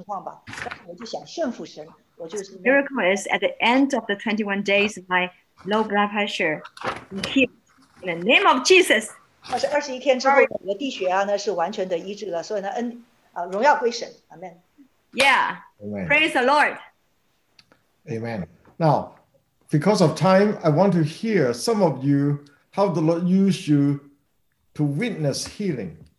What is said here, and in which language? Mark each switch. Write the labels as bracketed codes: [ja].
[zh] 但是呢，他不晓得我的身体的状况，所以我就想，我一天一天看情况吧。但是我就想顺服神，我就是。 [en] Miracle is at the end of the 21 days, my low blood pressure healed in the name of Jesus. [zh] 21天之后，我的低血压呢是完全的医治了，所以呢，荣耀归神 ，Amen. [en] Yeah, praise the Lord. Amen. Now, because of time, I want to hear some of you how the Lord used you to witness healing.